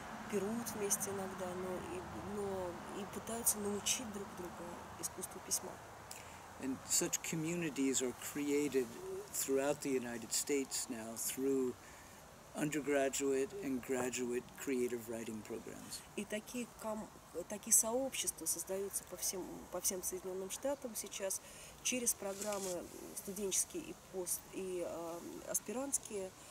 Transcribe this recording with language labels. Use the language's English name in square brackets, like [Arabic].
[Russian] Пируют вместе иногда, но и пытаются научить друг друга искусству письма. [English] And such communities are created throughout the United States now through undergraduate and graduate creative writing programs. [Russian] И такие сообщества создаются по всем Соединенным Штатам сейчас через программы студенческие и пост и аспирантские.